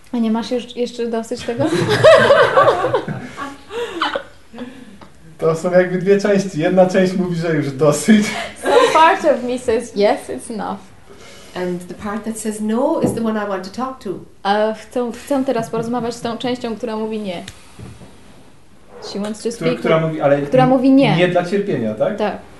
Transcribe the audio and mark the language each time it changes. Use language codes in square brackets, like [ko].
[pl] A nie masz jeszcze dosyć tego? To są jakby dwie części. Jedna część mówi, że już dosyć. [en] So part of me says yes, it's enough. And the part that says no is the one I want to talk to. [pl] A chcę teraz porozmawiać z tą częścią, która mówi nie. [en] She wants to speak, [pl] która mówi nie. Nie dla cierpienia, tak? Tak.